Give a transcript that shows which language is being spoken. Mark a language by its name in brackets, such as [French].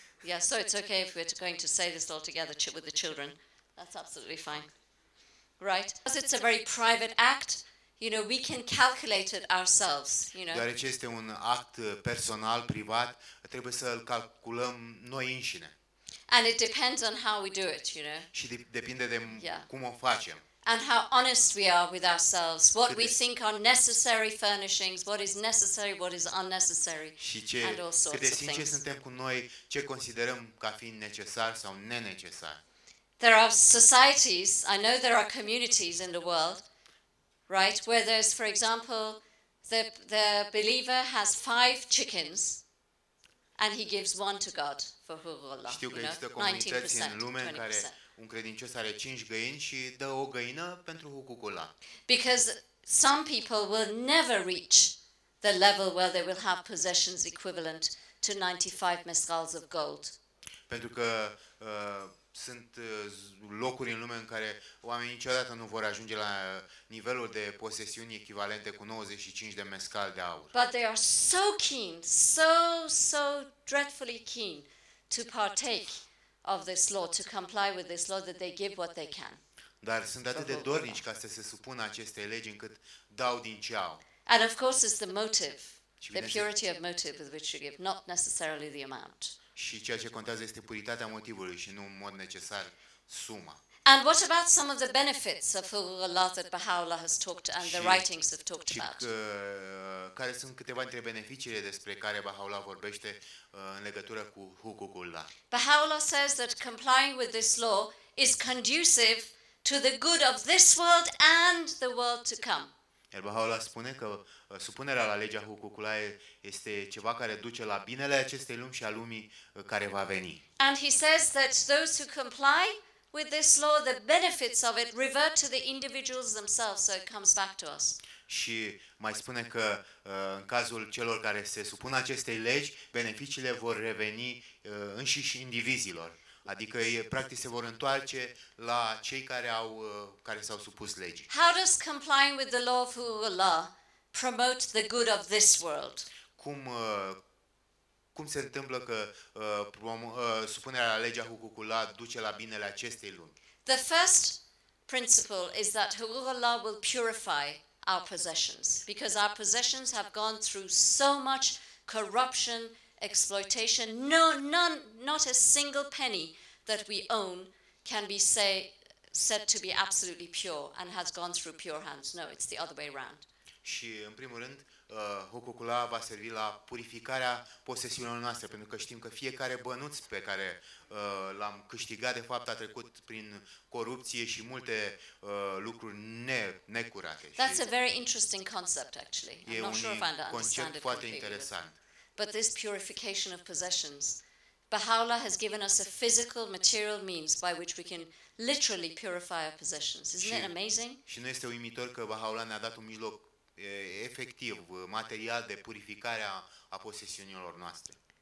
[English] Yeah, so it's okay if we're going to say this all together with the children. That's absolutely fine. Right? Because it's a very private act, you know, we can calculate it ourselves, you know. [Romanian] Deoarece este un act personal, privat, trebuie să îl calculăm noi înșine. [English] And it depends on how we do it, you know. [Romanian] Și depinde de cum o facem. [English] And how honest we are with ourselves, what we think are necessary furnishings, what is necessary, what is unnecessary, and all sorts of things. [Romanian] Și cât de sinceri suntem cu noi, ce considerăm ca fiind necesar sau nenecesar. [English] There are societies, I know there are communities in the world, right, where there's, for example, the believer has 5 chickens, and he gives one to God for Hukukullah. [Romanian] Știu că există comunități în lume în care un credincios are 5 găini și dă o găină pentru Hukukullah. [English] Because some people will never reach the level where they will have possessions equivalent to 95 mescals of gold. [Romanian] Pentru că sunt locuri în lume în care oamenii niciodată nu vor ajunge la nivelul de posesiuni echivalente cu 95 de mescal de aur. [English] But they are so keen, so, so dreadfully keen to partake of this law, to comply with this law, that they give what they can. [Romanian] Dar sunt atât de dornici ca să se supună acestei legi încât dau din ce au. [English] And of course it's the motive, the purity of motive with which you give, not necessarily the amount. [Romanian] Și ceea ce contează este puritatea motivului și nu în mod necesar suma. [English] And what about some of the benefits of Hukukullah that Baha'u'llah has talked and the writings have talked about? [Romanian] Care sunt câteva dintre beneficiile despre care Baha'u'llah vorbește în legătură cu Hukukullah? [English] Baha'u'llah says that complying with this law is conducive to the good of this world and the world to come. [Romanian] Iar Baha'u'llah spune că supunerea la legea Hukukullah este ceva care duce la binele acestei lumi și a lumii care va veni. [English] And he says that those who comply with this law, the benefits of it revert to the individuals themselves, so it comes back to us. [Romanian] Și mai spune că în cazul celor care se supun acestei legi, beneficiile vor reveni înșiși indivizilor. Adică ei practic se vor întoarce la cei care au care s-au supus legii. [English] How does complying with the law of Hukukullah promote the good of this world? [Romanian] Cum cum se întâmplă că supunerea la legea Hukukula duce la binele acestei lumi? [English] The first principle is that Hukukula will purify our possessions, because our possessions have gone through so much corruption, exploitation. Not a single penny that we own can be said to be absolutely pure and has gone through pure hands. No, it's the other way around. [Romanian] Și în primul rând, Hukukula va servi la purificarea posesiunilor noastre, pentru că știm că fiecare bănuț pe care l-am câștigat, de fapt, a trecut prin corupție și multe lucruri necurate. [English] That's a very interesting concept, actually. I'm not sure if I understand it. [Romanian] E un concept foarte interesant. [English] But this purification of possessions, Baha'u'llah has given us a physical, material means by which we can literally purify our possessions. Isn't it amazing? [Romanian] Și nu este uimitor că Baha'u'llah ne-a dat un mijloc efectiv, material de purificare a posesiunilor noastre.